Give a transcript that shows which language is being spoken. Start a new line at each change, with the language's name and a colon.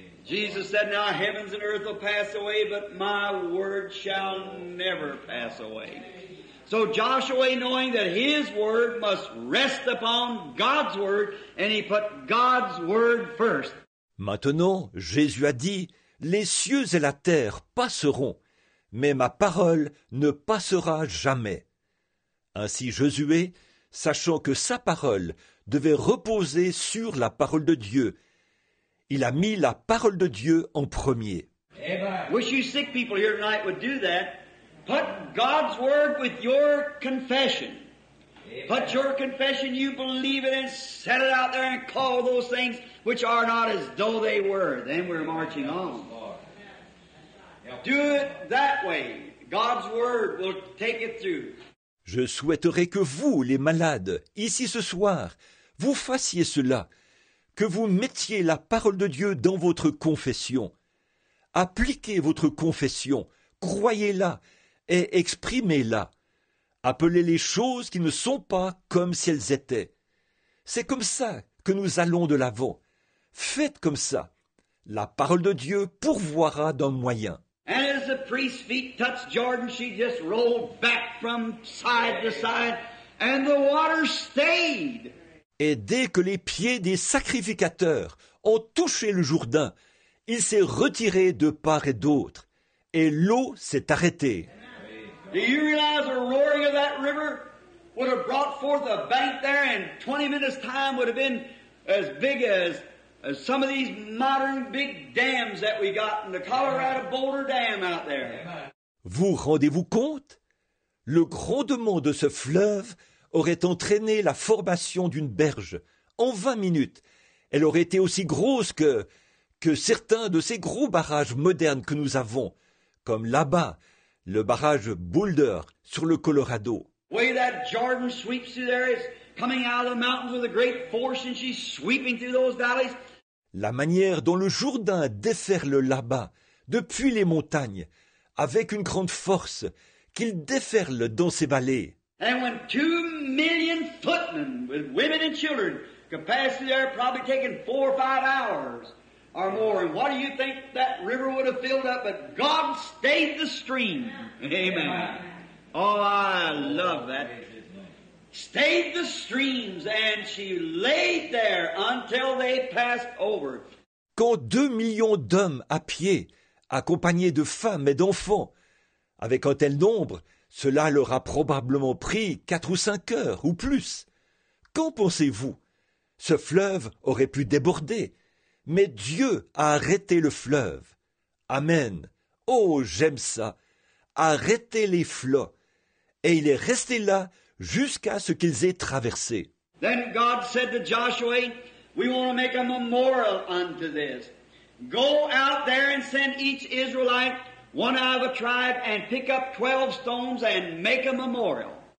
English: Jesus said, now heavens and earth will pass away, but my word shall never pass away. So Joshua, knowing that his word must rest upon God's word, and he put God's word first.
French: Maintenant, Jésus a dit, les cieux et la terre passeront, mais ma parole ne passera jamais. Ainsi Josué, sachant que sa parole devait reposer sur la parole de Dieu, il a mis la parole de Dieu en premier.
English: Wish you sick people here tonight would do that. Put God's word with your confession. Put your confession, you believe it, and set it out there and call those things which are not as though they were. Then we're marching on. Do it that way. God's word will take it through.
French: Je souhaiterais que vous, les malades, ici ce soir, vous fassiez cela, que vous mettiez la parole de Dieu dans votre confession. Appliquez votre confession, croyez-la et exprimez-la. Appelez les choses qui ne sont pas comme si elles étaient. C'est comme ça que nous allons de l'avant. Faites comme ça. La parole de Dieu pourvoira d'un moyen.
English: As the priest's feet touched Jordan, she just rolled back from side to side, and the water stayed.
French: Et dès que les pieds des sacrificateurs ont touché le Jourdain, il s'est retiré de part et d'autre, et l'eau s'est arrêtée.
English: Do you realize the roaring of that river would have brought forth a bank there, and 20 minutes time would have been as big as some of these modern big dams that we got in the Colorado Boulder Dam out there.
French: Vous rendez-vous compte? Le grondement de ce fleuve aurait entraîné la formation d'une berge. En 20 minutes, elle aurait été aussi grosse que certains de ces gros barrages modernes que nous avons, comme là-bas, le barrage Boulder sur le Colorado.
English: The way that Jordan sweeps through there is coming out of the mountains with a great force, and she's sweeping through those valleys.
French: La manière dont le Jourdain déferle là-bas, depuis les montagnes, avec une grande force, qu'il déferle dans ces vallées.
English: And when 2 million footmen with women and children could pass through there, probably taking 4 or 5 hours or more, and what do you think that river would have filled up? But God stayed the stream. Amen. Oh, I love that. Stayed the streams, and she laid there until they passed over.
French: Quand 2 millions d'hommes à pied, accompagnés de femmes et d'enfants, avec un tel nombre, cela leur a probablement pris 4 ou 5 heures ou plus. Qu'en pensez-vous? Ce fleuve aurait pu déborder, mais Dieu a arrêté le fleuve. Amen. Oh, j'aime ça. Arrêtez les flots. Et il est resté là jusqu'à ce qu'ils aient traversé.
English: Then God said to Joshua, we want to make a memorial unto this. Go out there and send each Israelite one out of a tribe and pick up 12 stones and make a memorial.